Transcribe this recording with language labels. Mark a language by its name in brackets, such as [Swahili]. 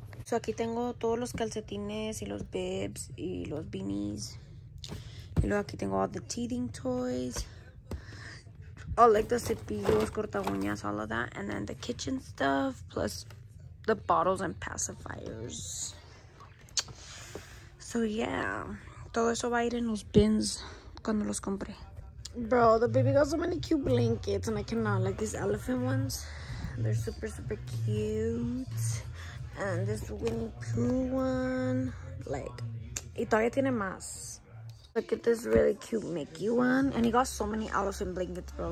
[Spanish] So aquí tengo todos los calcetines y los bibs y los beanies. Y luego aquí tengo [English] all the teething toys. All like the [Spanish] cepillos, corta uñas, [English] all of that. And then the kitchen stuff plus the bottles and pacifiers. [Spanish] So yeah, todo eso va a ir en los bins cuando los compre. [English] Bro, the baby got so many cute blankets and I cannot, like these elephant ones. They're super, super cute. And this Winnie Pooh one. Like, [Spanish] y todavía tiene más. [English] Look at this really cute Mickey one. And he got so many Alice in Blankets, bro.